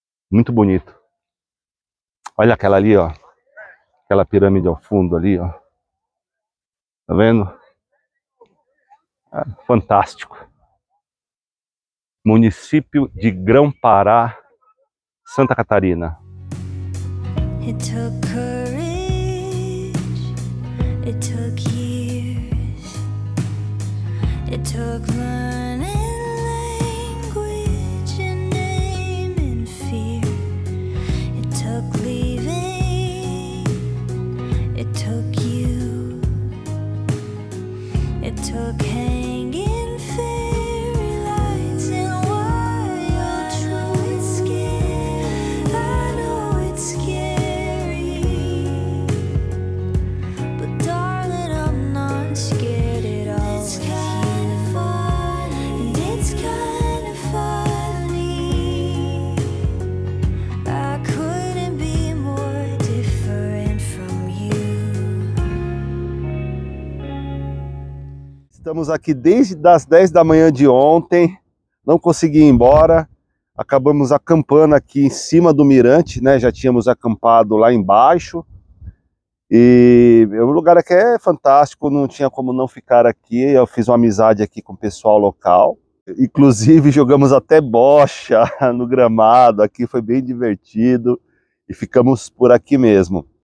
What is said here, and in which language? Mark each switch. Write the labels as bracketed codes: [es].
[pt] Muito bonito. Olha aquela ali, ó. Aquela pirâmide ao fundo ali, ó. Tá vendo? É fantástico. Município de Grão-Pará, Santa Catarina. [en] It took courage, it took years, it took learning language and name and fear, it took leaving, it took you, it took hanging fairy lights in wild truth. It's scary, I know it's scary, but darling, I'm not scared at all. It's kind of funny, and it's kind of funny. I couldn't be more different from you. [pt] Estamos aqui desde as 10 da manhã de ontem, não consegui ir embora, acabamos acampando aqui em cima do mirante, né? Já tínhamos acampado lá embaixo, e o lugar aqui é fantástico, não tinha como não ficar aqui, eu fiz uma amizade aqui com o pessoal local, inclusive jogamos até bocha no gramado aqui, foi bem divertido, e ficamos por aqui mesmo.